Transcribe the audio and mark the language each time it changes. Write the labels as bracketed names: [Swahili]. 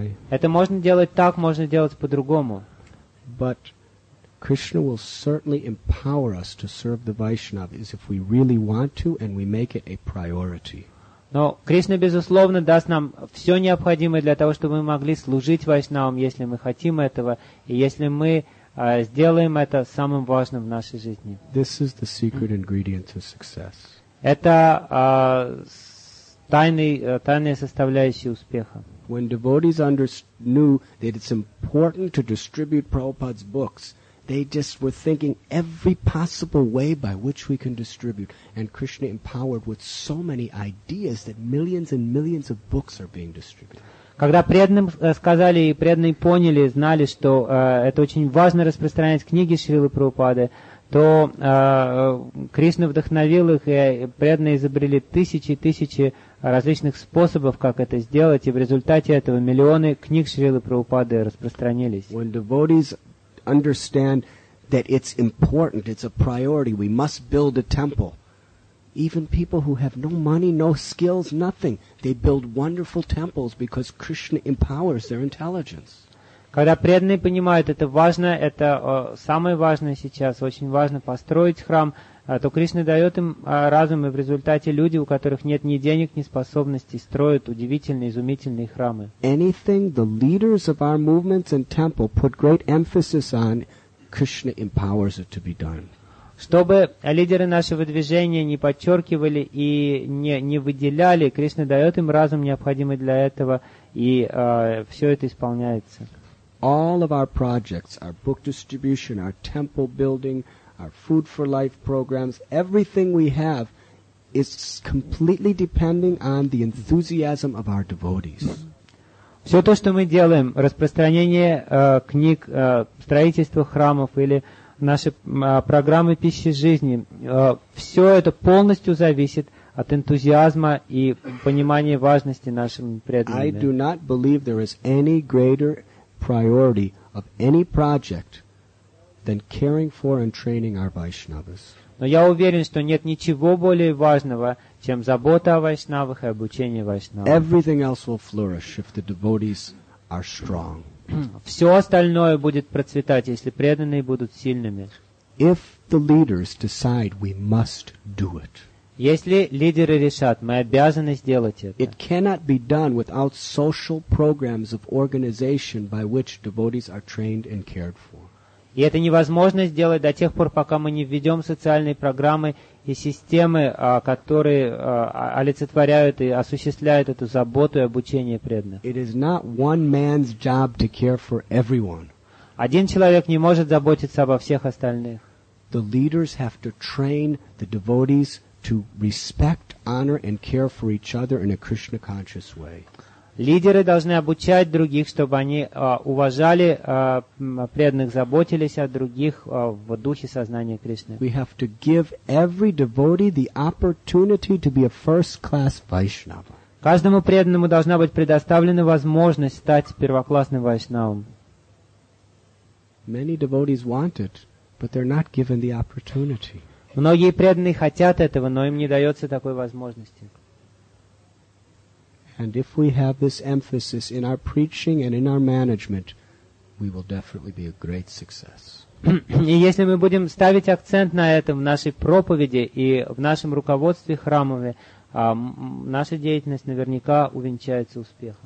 [Russian] Это можно делать так, можно делать по-другому. [English] But Krishna will certainly empower us to serve the Vaishnavas if we really want to and we make it a priority. [Russian] Но Кришна, безусловно, даст нам все необходимое для того, чтобы мы могли служить вайшнавам, если мы хотим этого, и если мы сделаем это самым важным в нашей жизни. [English] This is the secret ingredient to success. [Russian] Это тайная составляющая успеха. [English] When devotees knew that it's important to distribute Prabhupada's books, they just were thinking every possible way by which we can distribute. And Krishna empowered with so many ideas that millions and millions of books are being distributed. [Russian] Когда преданным сказали, и преданные поняли, знали, что это очень важно распространять книги Шрилы Прабхупады, то Кришна вдохновил их, и преданные изобрели тысячи и тысячи различных способов, как это сделать, и в результате этого миллионы книг Шрилы Прабхупады распространились. [English] When devotees understand that it's important, it's a priority, we must build a temple. Even people who have no money, no skills, nothing, they build wonderful temples because Krishna empowers their intelligence. [Russian] Когда преданные понимают, это важно, это самое важное сейчас, очень важно построить храм, то Кришна дает им разум, и в результате люди, у которых нет ни денег, ни способностей, строят удивительные, изумительные храмы. [English] Anything the leaders of our movements and temple put great emphasis on, Krishna empowers it to be done. [Russian] Чтобы лидеры нашего движения не подчеркивали и не выделяли, Кришна дает им разум, необходимый для этого, и все это исполняется. [English] All of our projects, our book distribution, our temple building, our food for life programs, everything we have is completely depending on the enthusiasm of our devotees. [Russian] Все то, что мы делаем, распространение книг, строительство храмов или наши программы пищи жизни, все это полностью зависит от энтузиазма и понимания важности нашим преданным. [English] I do not believe there is any greater priority of any project than caring for and training our Vaishnavas. [Russian] Но я уверен, что нет ничего более важного, чем забота о вайшнавах и обучение вайшнавам. [English] Everything else will flourish if the devotees are strong. [Russian] Все остальное будет процветать, если преданные будут сильными. [English] If the leaders decide, we must do it. [Russian] Если лидеры решат, мы обязаны сделать это. [English] It cannot be done without social programs of organization by which devotees are trained and cared for. [Russian] И это невозможно сделать до тех пор, пока мы не введем социальные программы и системы, которые олицетворяют и осуществляют эту заботу и обучение преданных. [English] It is not one man's job to care for everyone. [Russian] Один человек не может заботиться обо всех остальных. [English] The leaders have to train the devotees to respect, honor, and care for each other in a Krishna-conscious way. [Russian] Лидеры должны обучать других, чтобы они уважали преданных, заботились о других в духе сознания Кришны. [English] We have to give every devotee the opportunity to be a first-class Vaishnava. [Russian] Каждому преданному должна быть предоставлена возможность стать первоклассным вайшнавом. [English] Many devotees want it, but they're not given the opportunity. [Russian] Многие преданные хотят этого, но им не дается такой возможности. [English] And if we have this emphasis in our preaching and in our management, we will definitely be a great success. [Russian] И если мы будем ставить акцент на этом в нашей проповеди и в нашем руководстве храмове, наша деятельность наверняка увенчается успехом.